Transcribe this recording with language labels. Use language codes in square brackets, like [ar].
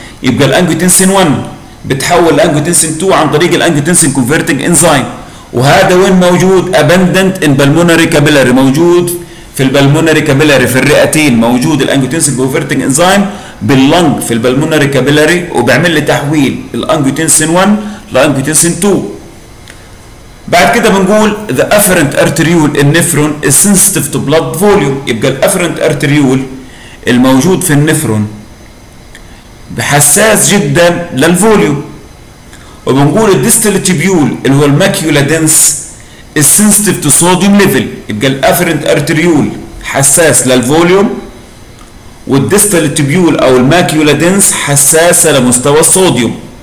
[ar] يبقى الانجيوتنسين 1 بتحول الانجيوتنسين 2 عن طريق الانجيوتنسين كونفيرتنج انزيم، وهذا وين موجود؟ اباندنت ان بالمونري كابيلاري، موجود في البالمونري كابيلاري في الرئتين، موجود الانجيوتنسين كونفيرتنج انزيم باللنج في البالمونري كابيلاري وبعمل لي تحويل الانجيوتنسين 1 لانجيوتنسين 2. [en] بعد كده بنقول the afferent arteriole in nephron is sensitive to blood volume. [ar] يبقى الافرنت ارتريول الموجود في النفرون بحساس جدا للفوليوم. وبنقول الديستال تيبيول اللي هو الماكيولا دنس [en] is sensitive to sodium level. [ar] يبقى الافرنت ارتريول حساس للفوليوم والديستال تيبيول او الماكيولا دنس حساسه لمستوى الصوديوم.